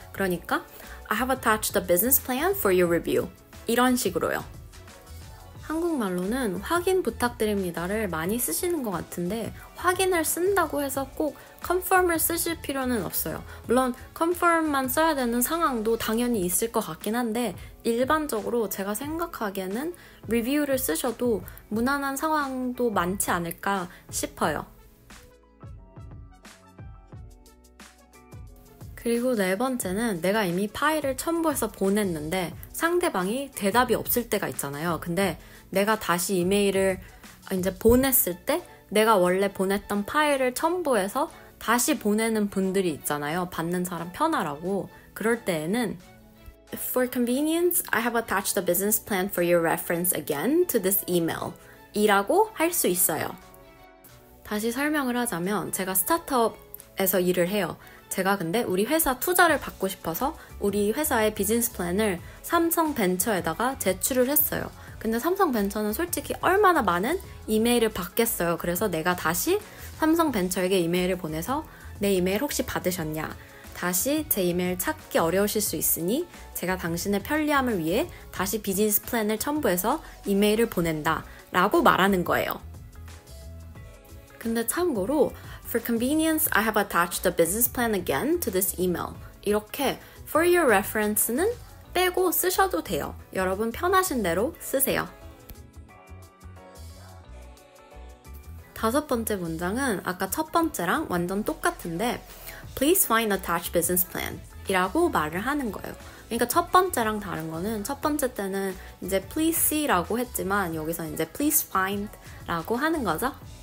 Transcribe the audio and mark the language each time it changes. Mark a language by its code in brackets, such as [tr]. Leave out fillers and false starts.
[ko] 그러니까 [en] I have attached a business plan for your review. [ko] 이런 식으로요. 한국말로는 확인 부탁드립니다를 많이 쓰시는 것 같은데 확인을 쓴다고 해서 꼭 confirm을 쓰실 필요는 없어요. 물론 confirm만 써야 되는 상황도 당연히 있을 것 같긴 한데 일반적으로 제가 생각하기에는 review를 쓰셔도 무난한 상황도 많지 않을까 싶어요. 그리고 네 번째는 내가 이미 파일을 첨부해서 보냈는데 상대방이 대답이 없을 때가 있잖아요. 근데 내가 다시 이메일을 이제 보냈을 때 내가 원래 보냈던 파일을 첨부해서 다시 보내는 분들이 있잖아요. 받는 사람 편하라고. 그럴 때에는 [en] For convenience, I have attached a business plan for your reference again to this email. [ko] 이라고 할 수 있어요. 다시 설명을 하자면 제가 스타트업에서 일을 해요. 제가 근데 우리 회사 투자를 받고 싶어서 우리 회사의 비즈니스 플랜을 삼성벤처에다가 제출을 했어요. 근데 삼성벤처는 솔직히 얼마나 많은 이메일을 받겠어요. 그래서 내가 다시 삼성벤처에게 이메일을 보내서 내 이메일 혹시 받으셨냐? 다시 제 이메일 찾기 어려우실 수 있으니 제가 당신의 편리함을 위해 다시 비즈니스 플랜을 첨부해서 이메일을 보낸다 라고 말하는 거예요. 근데 참고로 [en] For convenience, I have attached the business plan again to this email. [ko] 이렇게 [en] for your reference [ko] 는 빼고 쓰셔도 돼요. 여러분 편하신 대로 쓰세요. 다섯 번째 문장은 아까 첫 번째랑 완전 똑같은데 [en] Please find attached business plan [ko] 이라고 말을 하는 거예요. 그러니까 첫 번째랑 다른 거는 첫 번째 때는 이제 [en] please see [ko] 라고 했지만 여기서 이제 [en] please find [ko] 라고 하는 거죠.